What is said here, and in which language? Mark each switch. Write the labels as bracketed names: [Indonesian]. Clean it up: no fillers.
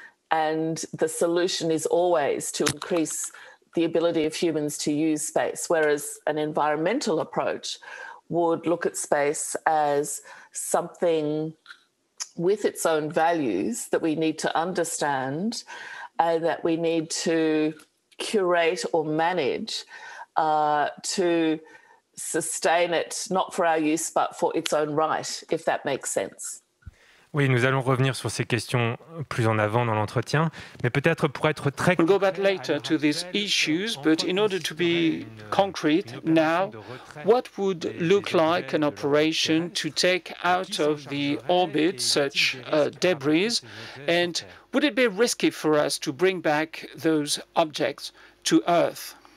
[English] And the solution is always to increase the ability of humans to use space, whereas an environmental approach would look at space as something with its own values that we need to understand and that we need to curate or manage to sustain it, not for our use, but for its own right, if that makes sense. [French] Oui, nous allons revenir sur ces questions plus en avant dans l'entretien, mais peut-être pour être très concret. [English] We'll go back later to these issues, but in order to be concrete now, what would look like an operation to take out of the orbit such debris, and would it be risky for us to bring back those objects to Earth?